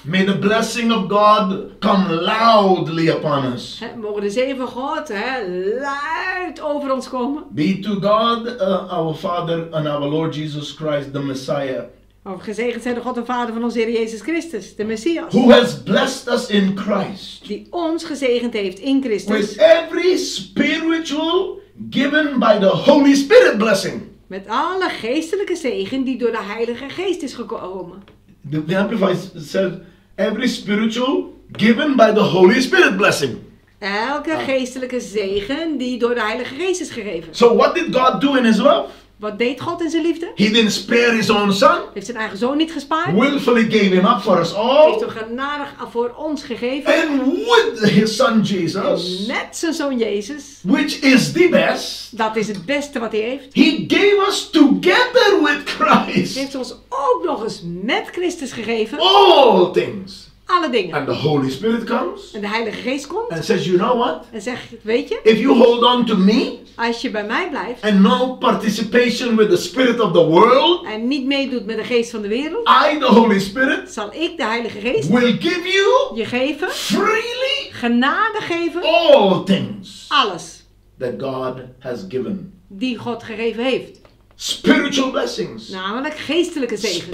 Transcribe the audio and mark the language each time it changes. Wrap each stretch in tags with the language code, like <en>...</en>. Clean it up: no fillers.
<en>May the blessing of God come loudly upon us.</en> <nl>Mogen de zegen van God, hè, luid over ons komen.</nl> <en>Be to God, our Father and our Lord Jesus Christ, the Messiah.</en> <nl>Of gezegend zij de God en Vader van onze Heer Jezus Christus, de Messias.</nl> <en>Who has blessed us in Christ.</en> <nl>Die ons gezegend heeft in Christus.</nl> <en>With every spiritual given by the Holy Spirit blessing.</en> <nl>Met alle geestelijke zegen die door de Heilige Geest is gekomen.</nl> <en>The Amplified said, every spiritual given by the Holy Spirit blessing.</en> <nl>Elke geestelijke zegen die door de Heilige Geest is gegeven.</nl> <en>So what did God do in his love?</en> <nl>Wat deed God in zijn liefde?</nl> <en>He didn't spare his own son.</en> <nl>Heeft zijn eigen zoon niet gespaard.</nl> <en>Willfully gave him up for us all.</en> <nl>Heeft hem genadig voor ons gegeven.</nl> <en>And with his son Jesus.</en> <nl>En met zijn zoon Jezus.</nl> <en>Which is the best.</en> <nl>Dat is het beste wat hij heeft.</nl> <en>He gave us together with Christ.</en> <nl>Heeft ons ook nog eens met Christus gegeven.</nl> <en>All things.</en> <nl>Alle dingen.</nl> <en>And the Holy Spirit comes.</en> <nl>En de Heilige Geest komt.</nl> <en>And says, you know what?</en> <nl>En zegt, weet je?</nl> <en>If you hold on to me.</en> <nl>Als je bij mij blijft.</nl> <en>And no participation with the spirit of the world.</en> <nl>En niet meedoet met de geest van de wereld.</nl> <en>I, the Holy Spirit.</en> <nl>Zal ik, de Heilige Geest.</nl> <en>Will give you.</en> <nl>Je geven.</nl> <en>Freely.</en> <nl>Genade geven.</nl> <en>All things.</en> <nl>Alles.</nl> <en>That God has given.</en> <nl>Die God gegeven heeft.</nl> <en>Spiritual blessings.</en> <nl>Namelijk geestelijke zegen.</nl>